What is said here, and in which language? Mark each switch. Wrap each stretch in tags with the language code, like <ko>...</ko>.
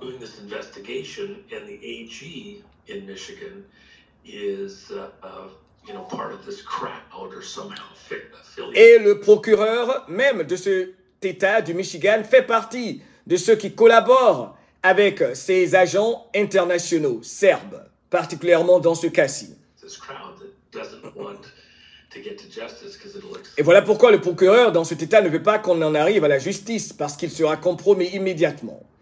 <en>doing this investigation and the AG in Michigan is part of this crowd or somehow affiliated.</en> <fr>Et le procureur même de cet état du Michigan fait partie de ceux qui collaborent avec ces agents internationaux serbes, particulièrement dans ce cas-ci.</fr> <en>This crowd that doesn't want to get to justice, 'cause it'll explode.</en> <fr>Et voilà pourquoi le procureur dans cet état ne veut pas qu'on en arrive à la justice, parce qu'il sera compromis immédiatement.</fr>